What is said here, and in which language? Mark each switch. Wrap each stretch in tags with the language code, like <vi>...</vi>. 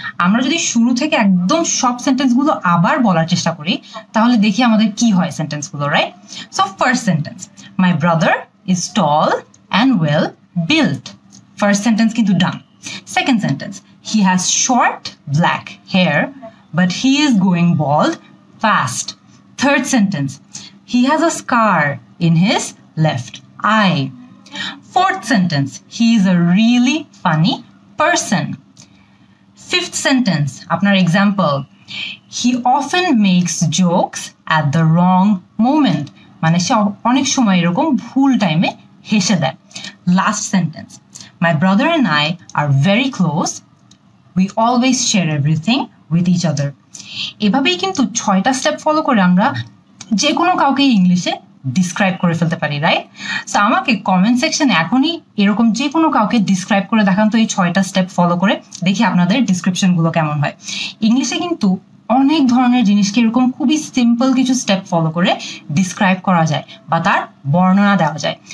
<bn>আমরা যদি শুরু থেকে একদম সব সেন্টেন্সগুলো আবার বলার চেষ্টা করি তাহলে দেখি আমাদের কি হয় সেন্টেন্সগুলো, right?</bn> <en>So first sentence, my brother is tall and well built, first sentence কিন্তু done. Second sentence, he has short black hair but he is going bald fast. Third sentence, he has a scar in his left eye. Fourth sentence, he is a really funny person. Fifth sentence, apnar example, he often makes jokes at the wrong moment.</en> <bn>Mane she onek shomoy erokom bhul time e heshe dey.</bn> <en>Last sentence, my brother and I are very close. We always share everything with each other.</en> <bn>এভাবেই কিন্তু ছয়টা step follow করে আমরা যে কোনো কাউকে ইংলিশে describe করে ফেলতে পারি, রাইট? সো আমাকে কমেন্ট সেকশনে এখনই এরকম যে কোনো কাউকে ডিসক্রাইব করে দেখান তো এই ছয়টা স্টেপ ফলো করে, দেখি আপনাদের ডিসক্রিপশনগুলো কেমন হয়। ইংলিশে কিন্তু অনেক ধরনের জিনিসকে এরকম খুবই সিম্পল কিছু স্টেপ ফলো করে ডিসক্রাইব করা যায় বা তার বর্ণনা দেওয়া যায়।</bn>